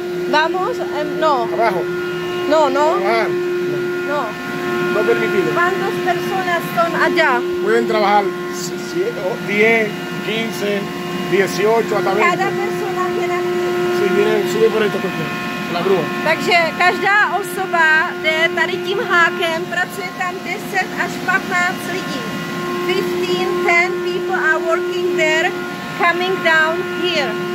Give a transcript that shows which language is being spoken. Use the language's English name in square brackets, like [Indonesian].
[Spanish] Vamos, no. Abajo. No, no. Trabajar. No. No permitido. ¿Cuántas personas son allá? Pueden trabajar 10, 15, 18, hasta 20. Cada persona viene aquí. Sí, viene, sube por esto, por la grúa. [Czech] Takže každá osoba jde tady tím hákem, pracuje tam 10 až 15 lidí. [English] 15, 10 people are working there, coming down here.